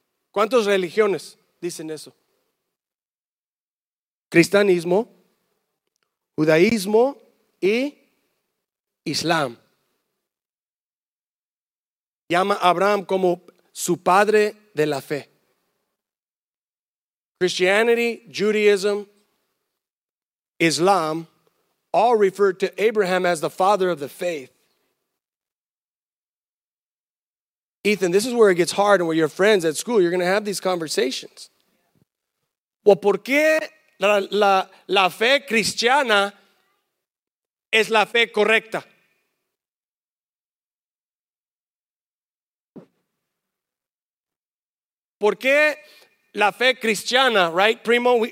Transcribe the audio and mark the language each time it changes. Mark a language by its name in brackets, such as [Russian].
[Spanish] ¿Cuántas religiones dicen eso? Cristianismo, judaísmo y Islam. Llama a Abraham como su padre de la fe. [English] Christianity, Judaism, Islam all refer to Abraham as the father of the faith. Ethan, this is where it gets hard, and where your friends at school, you're going to have these conversations. [Spanish] Well, ¿por qué la fe cristiana es la fe correcta? ¿Por qué la fe cristiana, right, primo?